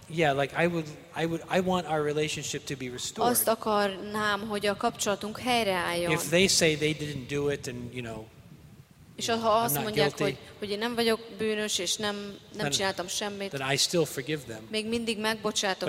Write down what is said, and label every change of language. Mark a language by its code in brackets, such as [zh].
[en] Yeah, like I want our relationship to be restored. [hu] Azt akarnám, hogy a kapcsolatunk helyreálljon. [en] If they say they didn't do it, and you know, [hu] és ha azt mondják, hogy én nem vagyok bűnös, és nem csináltam semmit, [en] then I still forgive them. [hu] Még mindig megbocsátok